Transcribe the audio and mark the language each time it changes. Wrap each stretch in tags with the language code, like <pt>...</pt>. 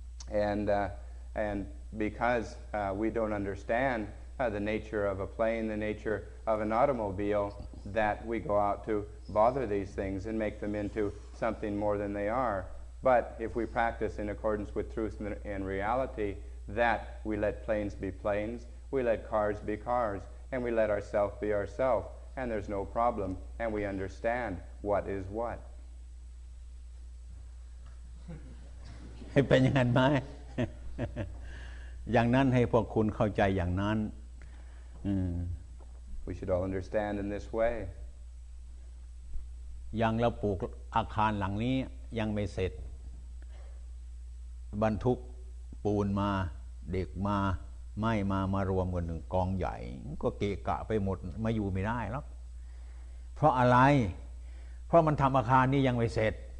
<en>And because we don't understand the nature of a plane, the nature of an automobile, that we go out to bother these things and make them into something more than they are. But if we practice in accordance with truth and reality, that we let planes be planes, we let cars be cars,and we let ourself be ourself and there's no problem and we understand what is what</en> <th>เป็นอย่างนั้นมั้ยอย่างนั้นให้พวกคุณเข้าใจอย่างนั้น</th> <en>We should all understand in this way</en> <th>ยังเราปลูกอาคารหลังนี้ยังไม่เสร็จบรรทุกปูนมาเด็กมาไม่มารวมกันหนึ่งกองใหญ่ก็เกะกะไปหมดมาอยู่ไม่ได้แล้วเพราะอะไรเพราะมันทำอาคารนี้ยังไม่เสร็จ</th>